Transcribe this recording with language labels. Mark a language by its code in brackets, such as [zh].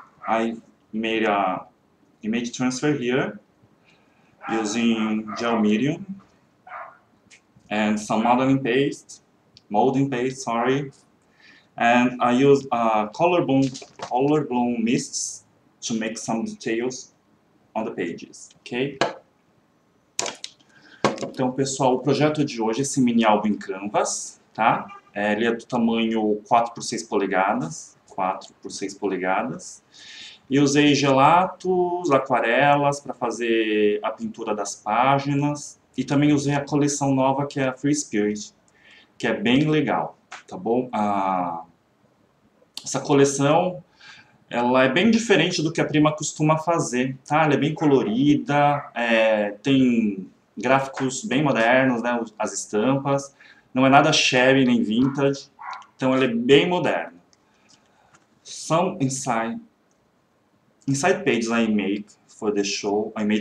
[en] I made a image transfer here using gel medium and some molding paste, sorry. And I use color bloom mists to make some details on the pages, ok? [pt] Então, pessoal, o projeto de hoje é esse mini álbum em Canvas, tá? Ele é do tamanho 4x6 polegadas, 4x6 polegadas. E usei gelatos, aquarelas para fazer a pintura das páginas. E também usei a coleção nova que é a Free Spirit, que é bem legal, tá bom? Essa coleção, ela é bem diferente do que a Prima costuma fazer, tá? Ela é bem colorida, tem gráficos bem modernos, né? As estampas. Não é nada shabby nem vintage, então ela é bem moderna. [en] Some inside pages I made for the show.